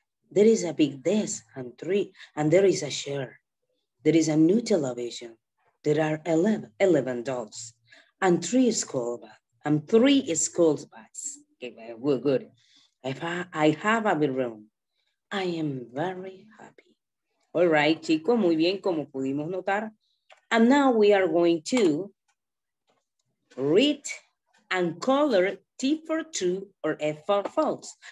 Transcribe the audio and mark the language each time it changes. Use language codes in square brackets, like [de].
[en] There is a big desk and 3, and there is a chair. There is a new television. There are 11 dolls and 3 school bags. And 3 school bags. Okay, well, good. I have a bedroom. I am very happy. All right, [es] chicos, muy bien, como pudimos notar. [en] And now we are going to read and color T for true or F for false.